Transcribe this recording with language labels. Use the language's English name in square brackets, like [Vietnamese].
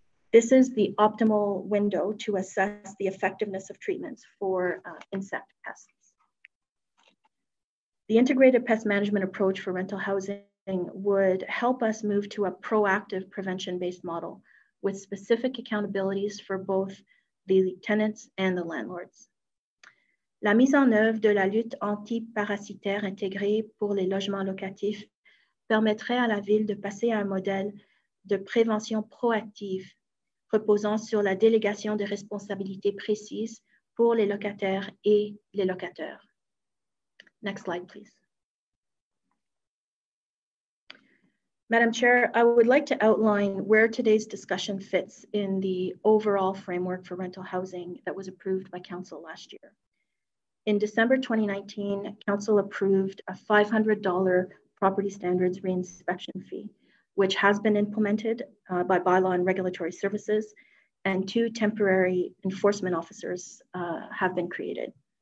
[English] This is the optimal window to assess the effectiveness of treatments for insect pests. The integrated pest management approach for rental housing would help us move to a proactive prevention-based model with specific accountabilities for both the tenants and the landlords. [French] La mise en œuvre de la lutte antiparasitaire intégrée pour les logements locatifs permettrait à la ville de passer à un modèle de prévention proactive reposant sur la délégation de responsabilités précises pour les locataires et les locateurs. [English] Next slide, please. Madam Chair, I would like to outline where today's discussion fits in the overall framework for rental housing that was approved by Council last year. In December 2019, Council approved a $500 property standards reinspection fee, which has been implemented by Bylaw and Regulatory Services, and two temporary enforcement officers have been created.